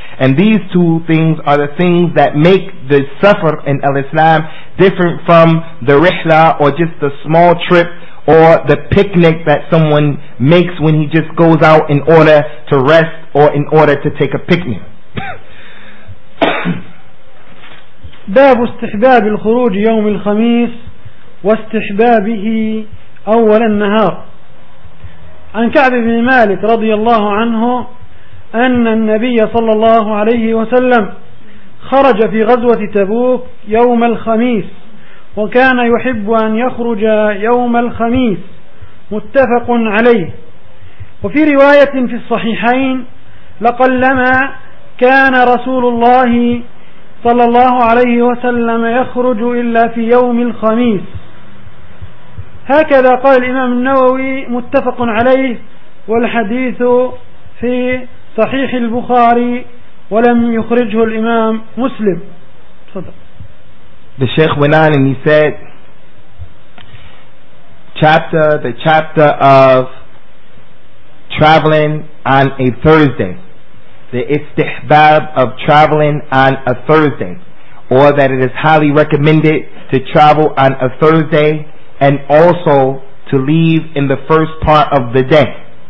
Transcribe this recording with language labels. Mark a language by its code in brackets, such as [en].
[en] And these two things are the things that make the safar in al-Islam different from the rihla, or just the small trip, or the picnic that someone makes when he just goes out in order to rest or in order to take a picnic. [ar] باب استحباب الخروج يوم الخميس واستحبابه أول النهار. عن كعب بن مالك رضي الله عنه أن النبي صلى الله عليه وسلم خرج في غزوة تبوك يوم الخميس وكان يحب أن يخرج يوم الخميس، متفق عليه. وفي رواية في الصحيحين لقلما كان رسول الله صلى الله عليه وسلم يخرج إلا في يوم الخميس، هكذا قال الإمام النووي، متفق عليه. والحديث في صحيح البخاري ولم يخرجه الإمام مسلم. صدق. [en] The Sheikh went on and he said, the chapter of traveling on a Thursday, the istihbab of traveling on a Thursday, or that it is highly recommended to travel on a Thursday and also to leave in the first part of the day.